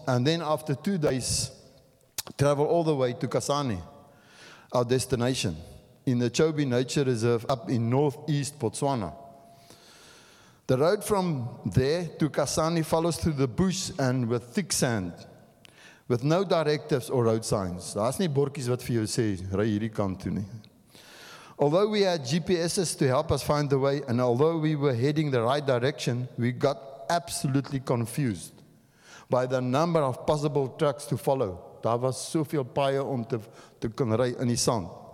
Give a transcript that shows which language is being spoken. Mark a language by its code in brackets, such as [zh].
[en] And then after 2 days, travel all the way to Kasane, our destination, in the Chobe Nature Reserve up in northeast Botswana. The road from there to Kasane follows through the bush and with thick sand, with no directives or road signs. [af] Daar's nie bordjies wat vir jou sê, ry hierdie kant toe nie. [en] Although we had GPSs to help us find the way, and although we were heading the right direction, we got absolutely confused by the number of possible tracks to follow. [af] Daar was soveel paaie om te kon ry in die sand.